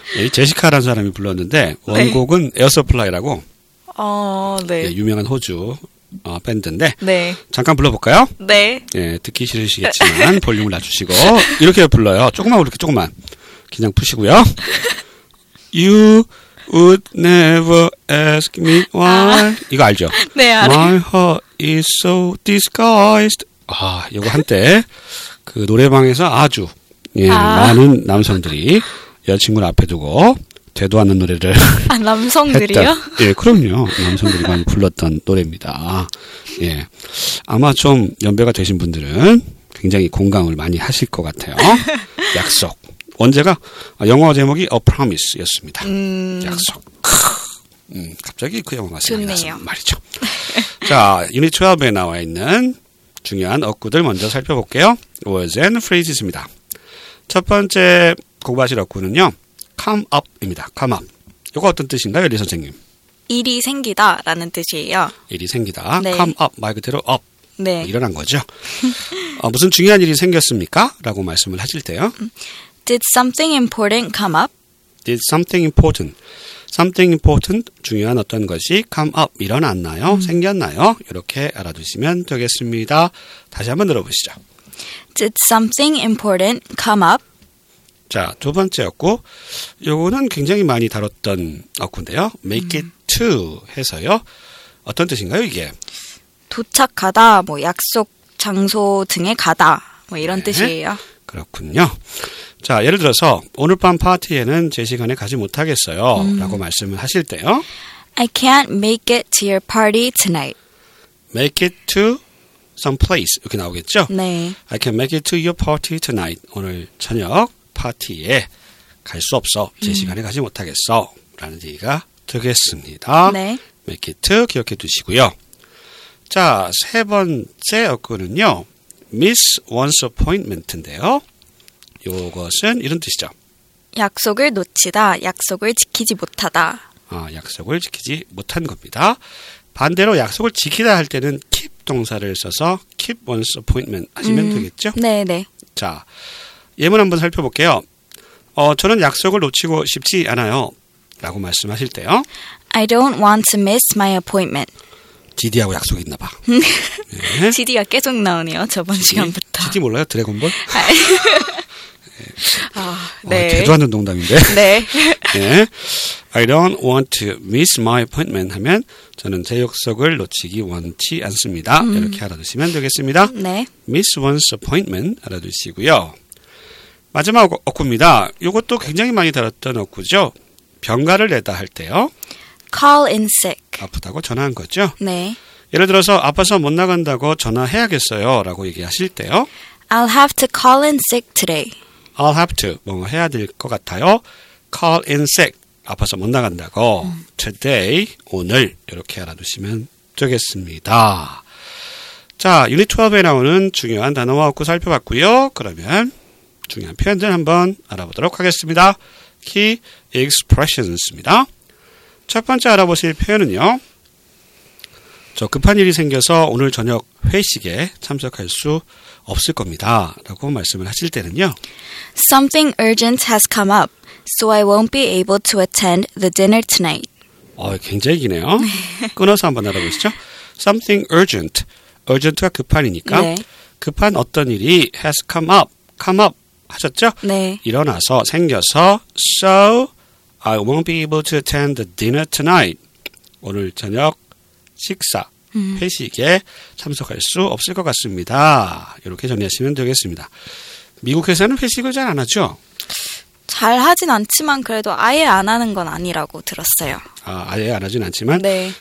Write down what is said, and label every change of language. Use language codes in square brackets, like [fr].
[ko] 제시카라는 사람이 불렀는데 원곡은 네. 에어서플라이라고 네. 네, 유명한 호주 밴드인데 네. 잠깐 불러볼까요? 네. 네. 듣기 싫으시겠지만 볼륨을 낮추시고 이렇게 불러요. 조금만 그렇게 조금만 그냥 푸시고요. [en] You would never ask me why [ko] 이거 알죠? 네, 알아요. [en] My heart is so disguised [ko] 이거 한때 그 노래방에서 아주 예, 많은 남성들이 여자친구를 앞에 두고 되도 않는 노래를 남성들이요? 예, 그럼요. 남성들이 많이 불렀던 노래입니다. 예, 아마 좀 연배가 되신 분들은 굉장히 공감을 많이 하실 것 같아요. 약속. 원제가 영화 제목이 A Promise였습니다. 약속. 크. 갑자기 그 영화가 생각나서 말이죠. 자, 유닛 12에 나와 있는 중요한 어구들 먼저 살펴볼게요. [en] Words and phrases입니다. [ko] 첫 번째 공부하실 어구는요. [en] Come up입니다. Come up. [ko] 이거 어떤 뜻인가요, 리 선생님? 일이 생기다라는 뜻이에요. 일이 생기다. 네. Come up. 말 그대로 up. 네. 일어난 거죠. 무슨 중요한 일이 생겼습니까? 라고 말씀을 하실 때요. [en] Did something important come up? Did something important. Something important, [ko] 중요한 어떤 것이 [en] come up, [ko] 일어났나요? 생겼나요? 이렇게 알아두시면 되겠습니다. 다시 한번 들어보시죠. [en] Did something important come up? [ko] 자, 두 번째 어구. 요거는 굉장히 많이 다뤘던 어구인데요. [en] Make it to 해서요. [ko] 어떤 뜻인가요, 이게? 도착하다, 뭐 약속, 장소 등에 가다, 뭐 이런 네. 뜻이에요. 그렇군요. 자, 예를 들어서 오늘 밤 파티에는 제 시간에 가지 못하겠어요. 라고 말씀을 하실 때요. [en] I can't make it to your party tonight. Make it to some place. 이렇게 나오겠죠? [ko] 네. [en] I can't make it to your party tonight. [ko] 오늘 저녁 파티에 갈 수 없어. 제 시간에 가지 못하겠어. 라는 얘기가 되겠습니다. 네. [en] Make it to 기억해 두시고요. [ko] 자, 세 번째 어구는요. [en] Miss one's appointment인데요. [ko] 이것은 이런 뜻이죠. 약속을 놓치다, 약속을 지키지 못하다. 약속을 지키지 못한 겁니다. 반대로 약속을 지키다 할 때는 keep 동사를 써서 [en] keep one's appointment [ko] 하시면 되겠죠? 네네. 자, 예문 한번 살펴볼게요. 저는 약속을 놓치고 싶지 않아요. 라고 말씀하실 때요. [en] I don't want to miss my appointment. [ko] GD하고 약속이 있나 봐. 네. GD가 계속 나오네요. 저번 GD? 시간부터. GD 몰라요? 드래곤볼? 네. 대도 않는 농담인데. 네. 네. [en] I don't want to miss my appointment [ko] 하면 저는 제 약속을 놓치기 원치 않습니다. 이렇게 알아두시면 되겠습니다. 네. [en] Miss one's appointment 알아두시고요. [ko] 마지막 어구입니다. 이것도 굉장히 많이 다뤘던 어구죠. 병가를 내다 할 때요. [en] Call in sick. [ko] 아프다고 전화한 거죠. 네. 예를 들어서 아파서 못 나간다고 전화해야겠어요. 라고 얘기하실 때요. [en] I'll have to call in sick today. I'll have to. [ko] 뭔가 해야 될 것 같아요. [en] Call in sick. [ko] 아파서 못 나간다고. Today. 오늘. 이렇게 알아두시면 되겠습니다. 자, 유닛 12에 나오는 중요한 단어와 어구 살펴봤고요. 그러면 중요한 표현들 한번 알아보도록 하겠습니다. [en] Key expressions입니다. [ko] 첫 번째 알아보실 표현은요. 저 급한 일이 생겨서 오늘 저녁 회식에 참석할 수 없을 겁니다. 라고 말씀을 하실 때는요. [en] Something urgent has come up, so I won't be able to attend the dinner tonight. [ko] 굉장히 기네요. 끊어서 한번 알아보시죠. [en] Something urgent. Urgent가 [ko] 급한이니까. 네. 급한 어떤 일이 [en] has come up. Come up. [ko] 하셨죠? 네. 일어나서 생겨서 [en] So I won't be able to attend the dinner tonight. [ko] 오늘 저녁 식사, 회식에 참석할 수 없을 것 같습니다. 이렇게 정리하시면 되겠습니다. 미국에서는 회식을 잘 안 하죠? 잘 하진 않지만 그래도 아예 안 하는 건 아니라고 들었어요. 아, 아예 안 하진 않지만 네.